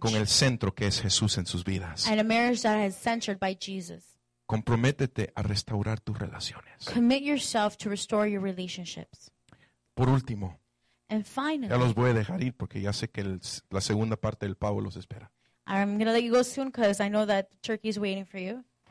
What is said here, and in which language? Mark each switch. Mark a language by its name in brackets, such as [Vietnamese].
[Spanish] Con el centro que es Jesús en sus vidas. [English] And a marriage that is centered by Jesus. [Spanish] Comprométete a restaurar tus relaciones. [English] Commit yourself to restore your relationships. [Spanish] Por último, [English] and finally, [Spanish] ya los voy a dejar ir porque ya sé que la segunda parte del pavo los espera. [English] I'm going to let you go soon because I know that the turkey is waiting for you.